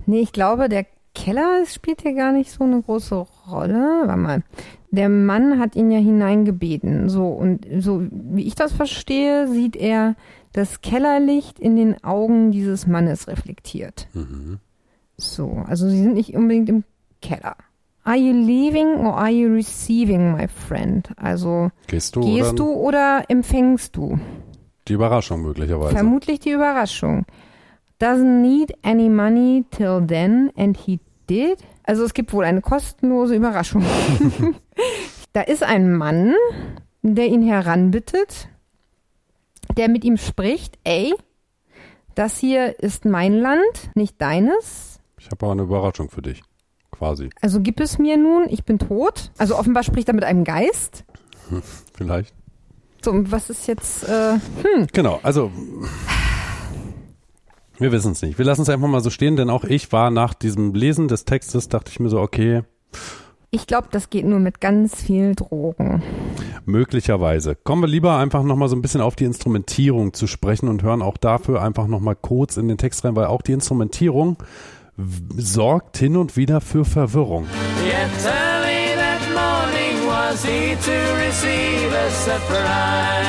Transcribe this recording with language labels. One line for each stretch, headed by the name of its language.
German: Nee, ich glaube, der Keller spielt hier gar nicht so eine große Rolle. Warte mal. Der Mann hat ihn ja hineingebeten. So, und so wie ich das verstehe, sieht er das Kellerlicht in den Augen dieses Mannes reflektiert. Mhm. So, also sie sind nicht unbedingt im Keller.
English: Are you leaving or are you receiving, my friend?
German: Also, gehst du oder empfängst du? Die Überraschung möglicherweise. Vermutlich die Überraschung.
English: Doesn't need any money till then and he did.
German: Also es gibt wohl eine kostenlose Überraschung. Da ist ein Mann, der ihn heranbittet, der mit ihm spricht, ey, das hier ist mein Land, nicht deines. Ich habe aber eine Überraschung für dich, quasi. Also gib es mir nun, ich bin tot. Also offenbar spricht er mit einem Geist. Vielleicht. So, was ist jetzt, Genau, also, wir wissen es nicht. Wir lassen es einfach mal so stehen, denn auch ich war nach diesem Lesen des Textes, dachte ich mir so, okay. Ich glaube, das geht nur mit ganz viel Drogen. Möglicherweise. Kommen wir lieber einfach nochmal so ein bisschen auf die Instrumentierung zu sprechen und hören auch dafür einfach nochmal kurz in den Text rein, weil auch die Instrumentierung sorgt hin und wieder für Verwirrung.
English: Yet early that morning was he to receive a surprise.